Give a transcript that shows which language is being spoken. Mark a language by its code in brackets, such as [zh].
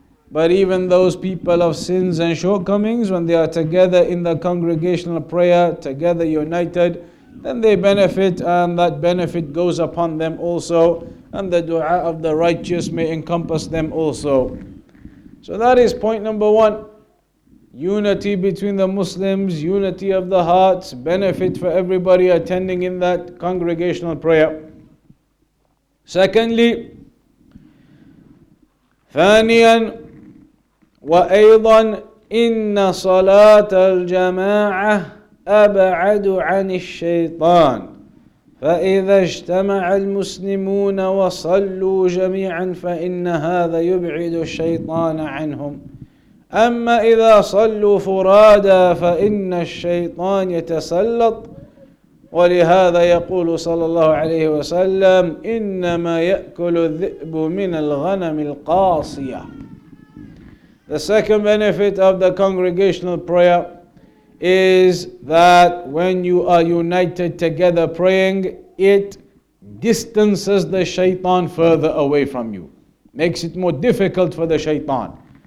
[en] But even those people of sins and shortcomings, when they are together in the congregational prayer, together united, then they benefit, and that benefit goes upon them also, and the dua of the righteous may encompass them also. So that is point number one. Unity between the Muslims, unity of the hearts, benefit for everybody attending in that congregational prayer. [ar] Secondly, ثانياً وأيضاً إن صلاة الجماعة أبعد عن الشيطان فإذا اجتمع المسلمون وصلوا جميعاً فإن هذا يبعد الشيطان عنهم أما إذا صلوا فرادى فإن الشيطان يتسلط ولهذا يقول صلى الله عليه وسلم إنما يأكل الذئب من الغنم القاصية. [en] The second benefit of the congregational prayer is that when you are united together praying, it distances the shaitan further away from you, makes it more difficult for the shaitan.